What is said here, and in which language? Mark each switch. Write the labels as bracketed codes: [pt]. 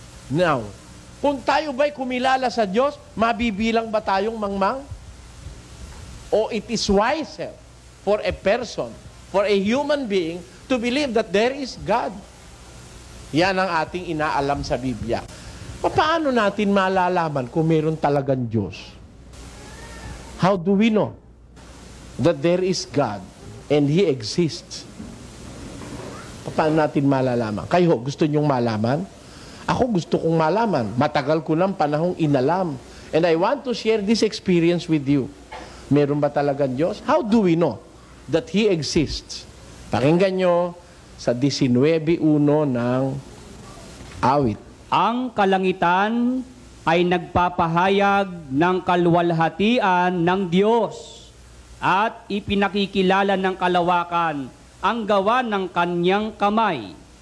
[tl] Now, kung tayo ba'y kumilala sa Diyos, mabibilang ba tayong mangmang? [en] Or it is wiser for a person, for a human being, to believe that there is God. [tl] Yan ang ating inaalam sa Biblia. Paano natin malalaman kung meron talagang Diyos? [en] How do we know that there is God and He exists? [tl] Paano natin malalaman? Kayo, gusto niyong malaman? Ako gusto kong malaman. Matagal ko ng panahong inalam. [en] And I want to share this experience with you. [tl] Meron ba talagang Diyos? [en] How do we know that He exists? [tl] Pakinggan nyo sa 19:1 ng awit. Ang kalangitan ay nagpapahayag ng kaluwalhatian ng Diyos at ipinakikilala ng kalawakan ang gawa ng kanyang kamay.